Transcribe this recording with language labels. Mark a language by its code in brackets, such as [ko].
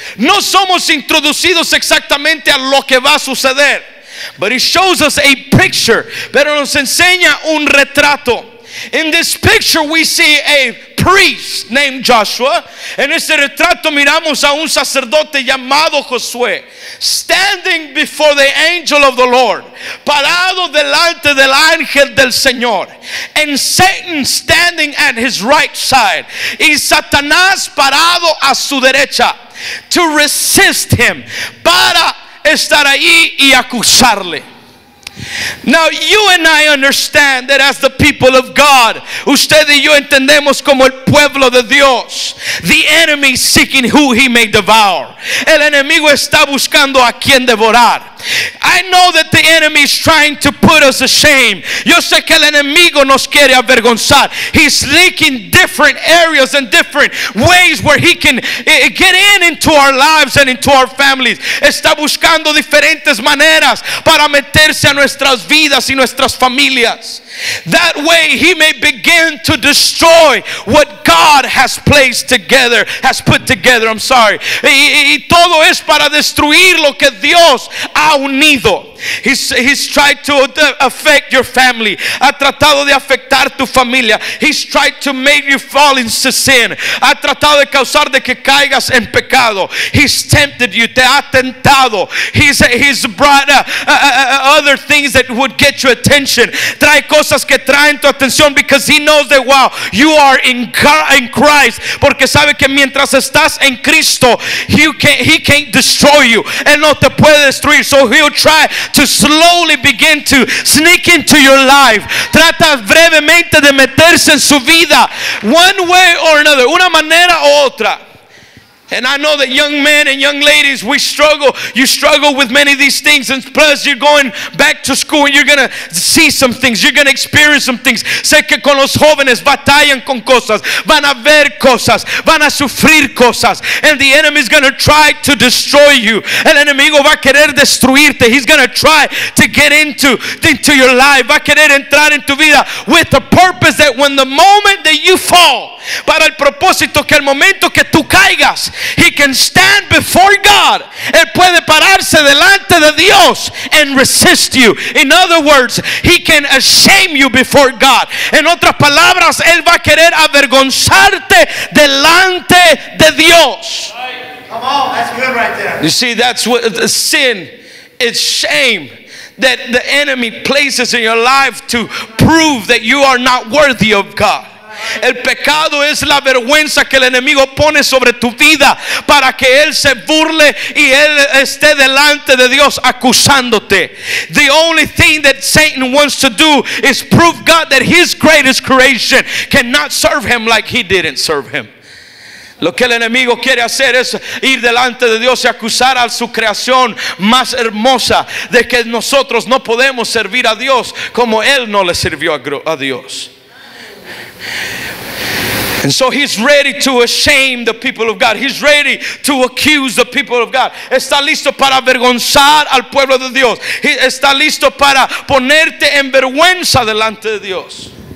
[es] No somos introducidos exactamente a lo que va a suceder. [en] But it shows us a picture. [es] Pero nos enseña un retrato. [en] In this picture we see a priest named Joshua. [es] En este retrato miramos a un sacerdote llamado Josué. [en] Standing before the angel of the Lord. [es] Parado delante del ángel del Señor. [en] And Satan standing at his right side. [es] Y Satanás parado a su derecha. [en] To resist him. [es] Para estar ahí y acusarle. [en] Now you and I understand that as the people of God, [es] usted y yo entendemos como el pueblo de Dios, [en] the enemy seeking who he may devour. [es] El enemigo está buscando a quien devorar. [en] I know that the enemy is trying to put us ashamed. [es] Yo sé que el enemigo nos quiere avergonzar. [en] He's leaking different areas and different ways where he can get in into our lives and into our families. [es] Está buscando diferentes maneras para meterse a nuestras vidas y nuestras familias. [en] That way he may begin to destroy what God has placed together, has put together, I'm sorry. [es] Y todo es para destruir lo que Dios ha unido. [en] He's tried to affect your family. [es] Ha tratado de afectar tu familia. [en] He's tried to make you fall into sin. [es] Ha tratado de causar de que caigas en pecado. [en] He's tempted you. [es] Te ha tentado. [en] He's brought other things that would get your attention. [es] Trae cosas que traen tu atención. [en] Because he knows that while you are in Christ, [es] porque sabe que mientras estás en Cristo, [en] he can't destroy you. [es] Él no te puede destruir. [en] So he'll try to slowly begin to sneak into your life. [es] Trata brevemente de meterse en su vida. [en] One way or another. [es] Una manera u otra. [en] And I know that young men and young ladies, we struggle. You struggle with many of these things. And plus you're going back to school and you're going to see some things. You're going to experience some things. [es] Sé que con los jóvenes batallan con cosas. Van a ver cosas. Van a sufrir cosas. [en] And the enemy is going to try to destroy you. [es] El enemigo va a querer destruirte. [en] He's going to try to get into your life. [es] Va a querer entrar en tu vida [en] with the purpose that when the moment that you fall, [es] para el propósito que el momento que tú caigas, [en] he can stand before God. [es] Él puede pararse delante de Dios [en] and resist you. In other words, he can shame you before God. [es] En otras palabras, él va a querer avergonzarte delante false. [en] Come on, that's good right there. You see, that's what sin is, shame that the enemy places in your life to prove that you are not worthy of God. [es] El pecado es la vergüenza que el enemigo pone sobre tu vida para que él se burle y él esté delante de Dios acusándote. [en] The only thing that Satan wants to do is prove God that his greatest creation cannot serve him like he didn't serve him. [es] Lo que el enemigo quiere hacer es ir delante de Dios y acusar a su creación más hermosa de que nosotros no podemos servir a Dios como él no le sirvió a Dios. [en] And so he's ready to shame the people of God. He's ready to accuse the people of God. [es] Está listo para avergonzar al pueblo de Dios. Está listo para ponerte en vergüenza delante de Dios.